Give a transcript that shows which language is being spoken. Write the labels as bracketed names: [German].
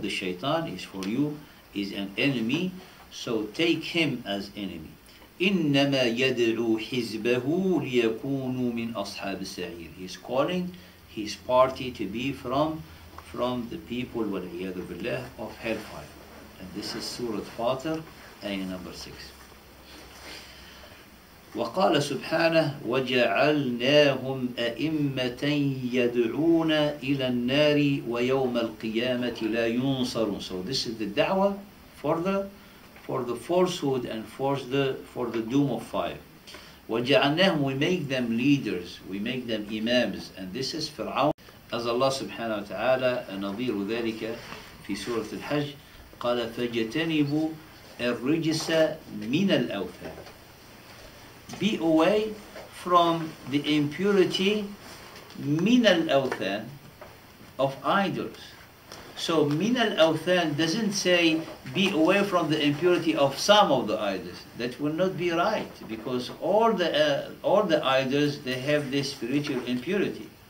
[English] The shaitan is for you, is an enemy, so take him as enemy. [Arabic] إنما يدعو حزبه ليكونوا من أصحاب السعير. [English] He's calling his party to be from the people, [Arabic] والعياذ بالله, [English] of hellfire. And this is Surah Fatir, ayah number 6. [Arabic] وقال سبحانه وجعلناهم أئمة يدعون إلى النار ويوم القيامة لا ينصرون. [English] So this is the da'wah for the falsehood and for the doom of fire. وَجَعَلْنَاهُمْ, we make them leaders, we make them imams. And this is Fir'aun. As Allah subhanahu wa ta'ala, [Arabic] نَظِيرُ ذَلِكَ فِي سُورَةِ الْحَجِ, قَالَ فَجَتَنِبُوا الرِّجِسَ مِنَ الْأَوْثَانِ. [English] Be away from the impurity, [Arabic] مِنَ الْأَوْثَانِ, [English] of idols. So min al-awthan doesn't say be away from the impurity of some of the idols. That will not be right, because all the idols, they have this spiritual impurity.